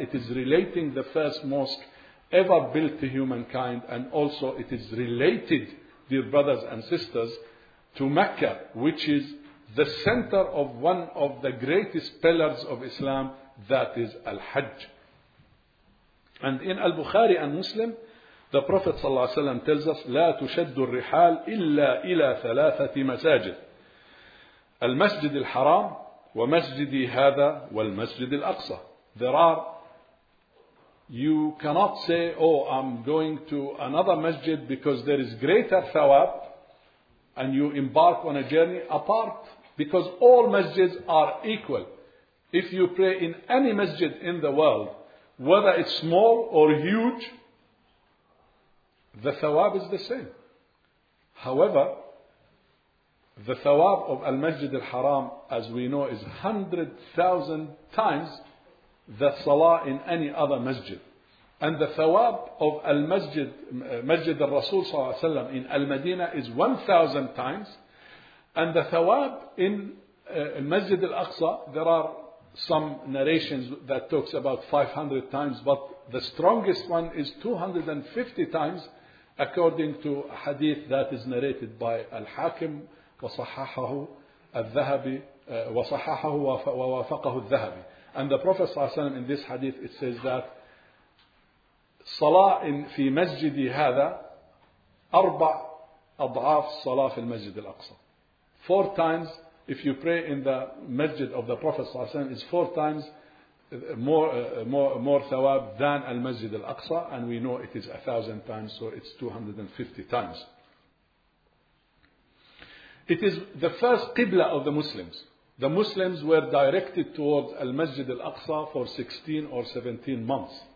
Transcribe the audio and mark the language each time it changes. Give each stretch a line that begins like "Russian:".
English: It is relating the first mosque ever built to humankind, and also it is related, dear brothers and sisters, to Mecca, which is the center of one of the greatest pillars of Islam, that is Al-Hajj. And in Al-Bukhari and Muslim, the Prophet sallallahu alaihi wasallam tells us,
Arabic: لا تشد الرحال إلا إلى ثلاثة مساجد. Al-Masjid Al-Haram, ومسجدي هذا والمسجد الأقصى.
English: There are, you cannot say, oh, I'm going to another masjid because there is greater thawab, and you embark on a journey apart, because all masjids are equal. If you pray in any masjid in the world, whether it's small or huge, the thawab is the same. However, the thawab of Al-Masjid Al-Haram, as we know, is 100,000 times the salah in any other masjid. And the thawab of Al-Masjid, Masjid Al-Rasul sallallahu alayhi wa sallam in Al-Madinah is 1,000 times. And the thawab in Masjid Al-Aqsa, there are some narrations that talks about 500 times, but the strongest one is 250 times, according to a hadith that is narrated by Al-Hakim,
Arabic: وصححه الذهبي وصححه ووافقه الذهبي.
English: And the Prophet صلى الله عليه وسلم in this hadith it says that
Arabic: صلاة في مسجد هذا أربع أضعاف صلاة في المسجد الأقصى.
English: Four times, if you pray in the masjid of the Prophet صلى الله عليه وسلم, is four times more ثواب than المسجد الأقصى. And we know it is 1,000 times, so it's 250 times. It is the first Qibla of the Muslims. The Muslims were directed towards Al-Masjid Al-Aqsa for 16 or 17 months.